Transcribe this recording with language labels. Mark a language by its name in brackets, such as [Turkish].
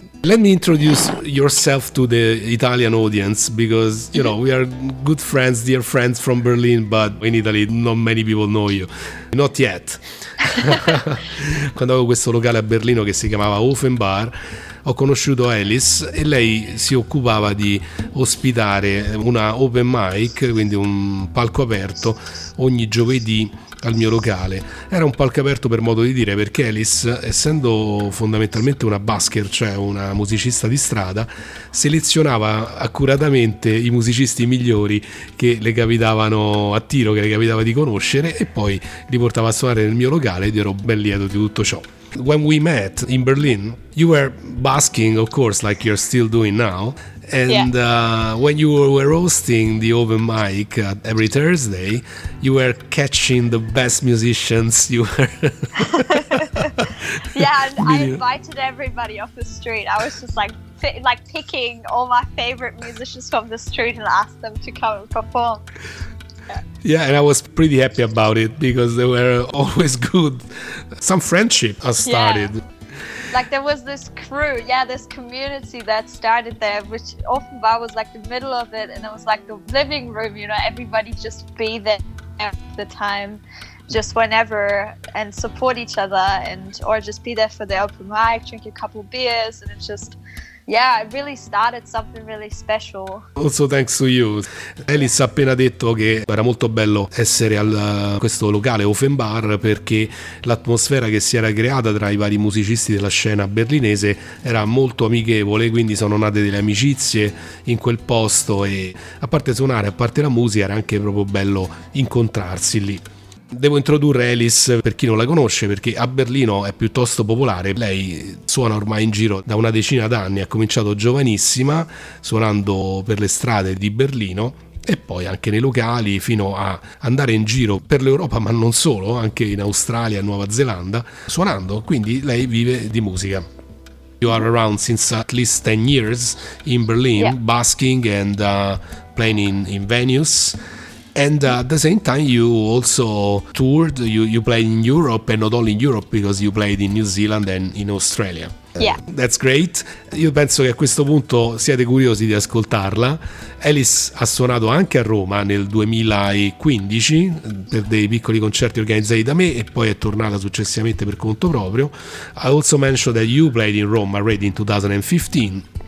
[English] Let me introduce yourself to the Italian audience because, you know, we are good friends, dear friends from Berlin, but in Italy not many people know you. Not yet. [Italian] Quando avevo questo locale a Berlino che si chiamava Open Bar, ho conosciuto Alice e lei si occupava di ospitare una open mic, quindi un palco aperto, ogni giovedì al mio locale. Era un palco aperto per modo di dire, perché Alice, essendo fondamentalmente una busker, cioè una musicista di strada, selezionava accuratamente i musicisti migliori che le capitavano a tiro, che le capitava di conoscere, e poi li portava a suonare nel mio locale ed ero ben lieto di tutto ciò. [English] When we met in Berlin, you were busking, of course, like you're still doing now. And when you were hosting the open mic every Thursday, you were catching the best musicians. You were. Yeah, and I invited everybody off the street. I was just like picking all my favorite musicians from the street and asked them to come and perform. Yeah, and I was pretty happy about it because they were always good. Some friendship has started. Yeah. Like there was this crew, yeah, this community that started there, which Offenbar was like the middle of it, and it was like the living room, you know, everybody just be there at the time, just whenever, and support each other, and or just be there for the open mic, drink a couple beers, and it's just... Yeah, I really started something really special. Also thanks to you. [Italian] Alice ha appena detto che era molto bello essere al questo locale Open Bar perché l'atmosfera che si era creata tra i vari musicisti della scena berlinese era molto amichevole, quindi sono nate delle amicizie in quel posto e a parte suonare, a parte la musica, era anche proprio bello incontrarsi lì. Devo introdurre Alice per chi non la conosce, perché a Berlino è piuttosto popolare. Lei suona ormai in giro da una decina d'anni, ha cominciato giovanissima suonando per le strade di Berlino e poi anche nei locali, fino a andare in giro per l'Europa, ma non solo, anche in Australia, Nuova Zelanda, suonando. Quindi lei vive di musica. [English] You are around since at least 10 years in Berlin, yeah. Busking and playing in venues. And at the same time, you also toured, you played in Europe, and not only in Europe, because you played in New Zealand and in Australia. Yeah. That's great. [Italian] Io penso che a questo punto siate curiosi di ascoltarla. Alice ha suonato anche a Roma nel 2015 per dei piccoli concerti organizzati da me e poi è tornata successivamente per conto proprio. [English] I also mentioned that you played in Rome already in 2015.